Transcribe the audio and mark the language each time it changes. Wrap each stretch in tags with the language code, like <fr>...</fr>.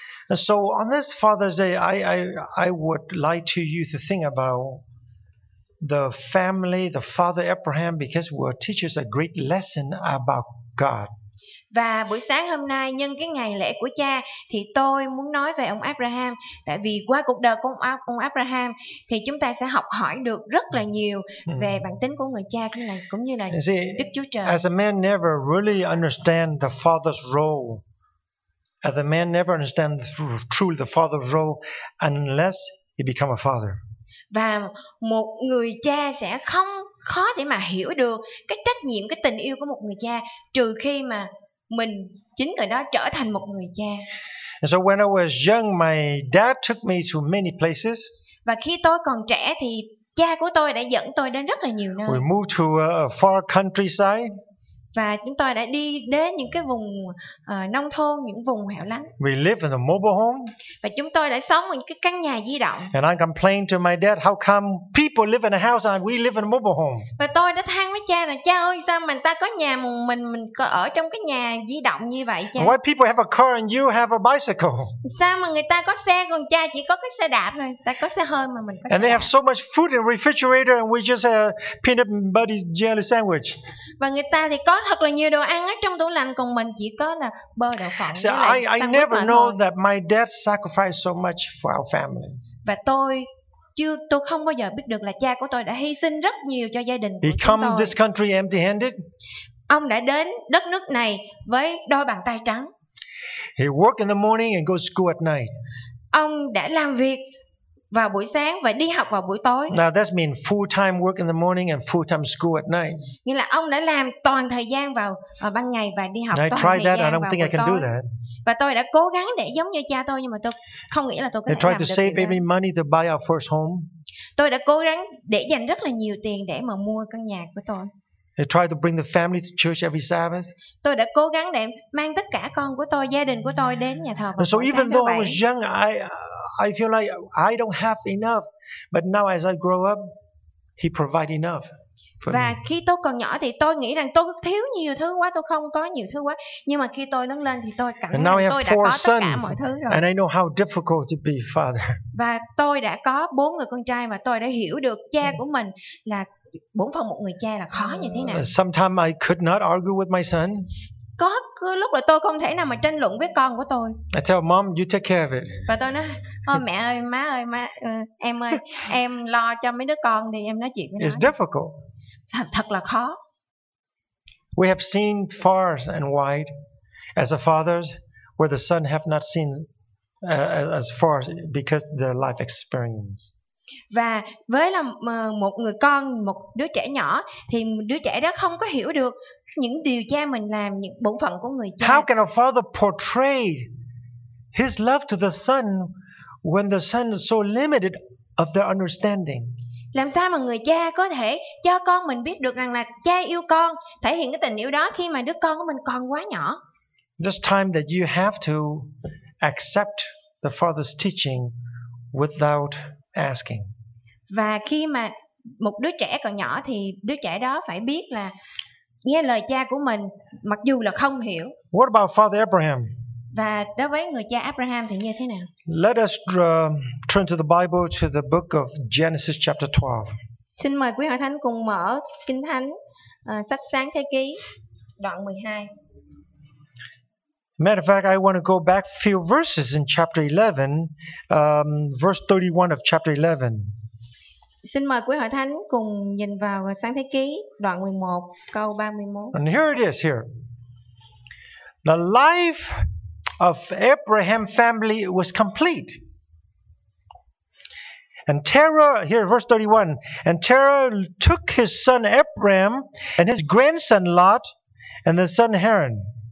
<en>And so on this Father's Day, I would like to you to think about the family, the father Abraham, because we'll teach us a great lesson about God.</en> <vi>Và buổi sáng hôm nay, nhân cái ngày lễ của cha, thì tôi muốn nói về ông Abraham. Tại vì qua cuộc đời của ông Abraham, thì chúng ta sẽ học hỏi được rất là nhiều về bản tính của người cha cũng như là Đức Chúa Trời.</vi> <en>As a man never really understand the father's role, as a man never understand truly the father's role unless he become a father.</en> <vi>Và một người cha sẽ không khó để mà hiểu được cái trách nhiệm, cái tình yêu của một người cha trừ khi mà mình chính người đó trở thành một người cha.</vi> <en>And so when I was young, my dad took me to many places.</en> <vi>Và khi tôi còn trẻ thì cha của tôi đã dẫn tôi đến rất là nhiều nơi.</vi> <en>We moved to a far countryside.</en> <vi>Và chúng tôi đã đi đến những cái vùng nông thôn, những vùng hẻo lánh.</vi> <en>We live in a mobile home.</en> <vi>Và chúng tôi đã sống ở những cái căn nhà di động.</vi> <en>And I complained to my dad, how come people live in a house and we live in a mobile home?</en> <vi>Và tôi đã than với cha là cha ơi, sao mình ta có nhà mà mình có ở trong cái nhà di động như vậy cha?</vi> <en>Why people have a car and you have a bicycle?</en> <vi>Sao mà người ta có xe còn cha chỉ có cái xe đạp thôi, ta có xe hơi mà mình có xe.</vi> <en>And they have so much food in the refrigerator and we just have peanut butter jelly sandwich.</en> <vi>Và người ta thì có thật là nhiều đồ ăn ở trong tủ lạnh, còn mình chỉ có là bơ đậu phộng.</vi> <en>So I never know that my dad sacrificed so much for our family.</en> <vi>Và tôi không bao giờ biết được là cha của tôi đã hy sinh rất nhiều cho gia đình của chúng tôi.</vi> <en>He come this country empty-handed.</en> <vi>Ông đã đến đất nước này với đôi bàn tay trắng.</vi> <en>He work in the morning and go school at night.</en> <vi>Ông đã làm việc vào buổi sáng và đi học vào buổi tối.</vi> <en>Now that means full time work in the morning and full time school at night.</en> <vi>Nghĩa là ông đã làm toàn thời gian vào ban ngày và đi học toàn thời gian vào buổi tối. Và tôi đã cố gắng để giống như cha tôi, nhưng mà tôi không nghĩ là tôi có thể làm được.</vi> <en>I tried to save any money to buy our first home.</en> <vi>Tôi đã cố gắng để dành rất là nhiều tiền để mà mua căn nhà của tôi.</vi> <en>I tried to bring the family to church every Sabbath.</en> <vi>Tôi đã cố gắng để mang tất cả con của tôi, gia đình của tôi đến nhà thờ vào buổi sáng.</vi> <en>So even though I was young, I feel like I don't have enough, but now as I grow up, he provides enough for me.</en> <vi>Và khi tôi còn nhỏ thì tôi nghĩ rằng tôi thiếu nhiều thứ quá, tôi không có nhiều thứ quá. Nhưng mà khi tôi lớn lên thì tôi cảm thấy tôi đã có tất cả mọi thứ rồi.</vi> <en>And I know how difficult to be father.</en> <vi>Và tôi đã có bốn người con trai và tôi đã hiểu được cha của mình là bổn phận một người cha là khó như thế nào.</vi> <en>Sometimes I could not argue with my son.</en> <vi>Có lúc là tôi không thể nào mà tranh luận với con của tôi.</vi> <en>I tell mom, you take care of it.</en> <vi>Và tôi nói, ôi mẹ ơi, má ơi, má, em ơi, em lo cho mấy đứa con thì em nói chuyện với nó.</vi> <en>It's difficult.</en> <vi>Thật là khó.</vi> <en>We have seen far and wide as a fathers where the son have not seen as far because their life experience.</en> <vi>Và với là một người con, một đứa trẻ nhỏ, thì đứa trẻ đó không có hiểu được những điều cha mình làm, những bổn phận của người cha.</vi> <en>How can a father portray his love to the son when the son is so limited of their understanding?</en> <vi>Làm sao mà người cha có thể cho con mình biết được rằng là cha yêu con, thể hiện cái tình yêu đó khi mà đứa con của mình còn quá nhỏ?</vi> <en>This time that you have to accept the father's teaching without asking.</en> <vi>Và khi mà một đứa trẻ còn nhỏ thì đứa trẻ đó phải biết là nghe lời cha của mình mặc dù là không hiểu.</vi> <en>What about Father Abraham?</en> <vi>Và đối với người cha Abraham thì như thế nào?</vi> <en>Let us turn to the Bible to the book of Genesis chapter 12.</en> <vi>Xin mời quý hội thánh cùng mở Kinh Thánh sách Sáng Thế Ký đoạn 12.</vi> <en>Matter of fact, I want to go back a few verses in chapter 11, verse 31 of chapter 11.</en> <vi>Xin mời quý hội thánh cùng nhìn vào Sáng Thế Ký, đoạn 11, câu 31.</vi> <en>And here it is here. The life of Abraham's family was complete. And Terah, here verse 31, and Terah took his son Abraham and his grandson Lot and the son Haran.</en>